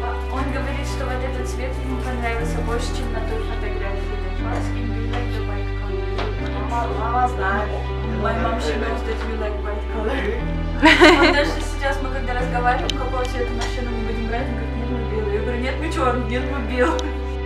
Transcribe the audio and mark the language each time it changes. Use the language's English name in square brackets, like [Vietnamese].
[Russian] Он говорит, что вот этот цвет ему понравился больше, чем на той фотографии. [English] And you like the white color. [Russian] Мама знает. [English] My mom, she knows that you like white color. [Russian] Даже сейчас мы когда разговариваем, какого цвета машину мы будем брать, он говорит, нет, мы белый. Я говорю, нет, мы черный, нет, мы белый.